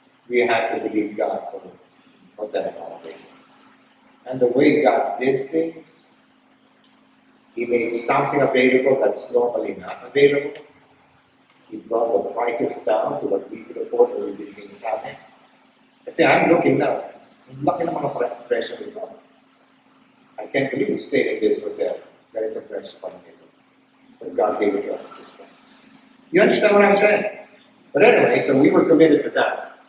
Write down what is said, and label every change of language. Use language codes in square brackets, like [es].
[en] We had to believe God for the accommodations. And the way God did things, He made something available that's normally not available. He brought the prices down to what we could afford when we began to sell it. [tl] Kasi [en] I'm looking now. [tl] Ang laki ng mga pressure [en] we got. I can't believe we stayed in this hotel. Very depressed upon it. But God gave it to us at this point. You understand what I'm saying? But anyway, so we were committed to that.